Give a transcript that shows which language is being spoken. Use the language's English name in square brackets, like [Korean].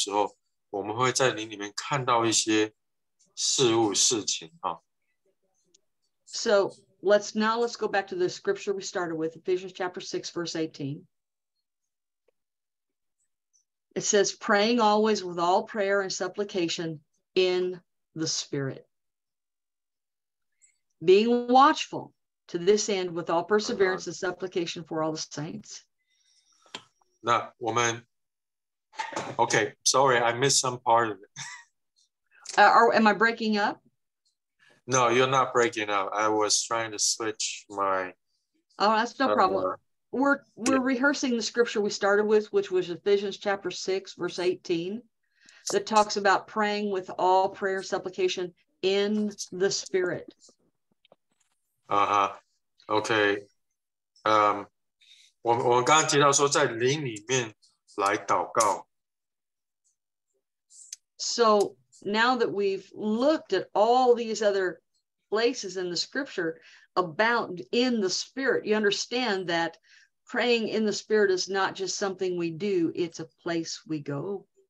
[Chinese] 我们常常在灵里面，我们有一个祷告学校嘛，在灵里面祷告的时候，我们会在灵里面看到一些 [English] So let's go back to the scripture we started with, Ephesians chapter 6, verse 18. It says, praying always with all prayer and supplication in the Spirit. being watchful to this end with all perseverance and supplication for all the saints. No, woman. Okay, sorry, I missed some part of it. Am I breaking up? No, you're not breaking up. I was trying to switch my... Oh, that's no problem. We're rehearsing the scripture we started with, which was Ephesians chapter 6, verse 18, that talks about praying with all prayer and supplication in the Spirit. Uh-huh. Okay. [Chinese] 我刚刚提到说, 在灵里面来祷告。 [English] So now that we've looked at all these other places in the scripture about in the Spirit, you understand that praying in the Spirit is not just something we do, it's a place we go.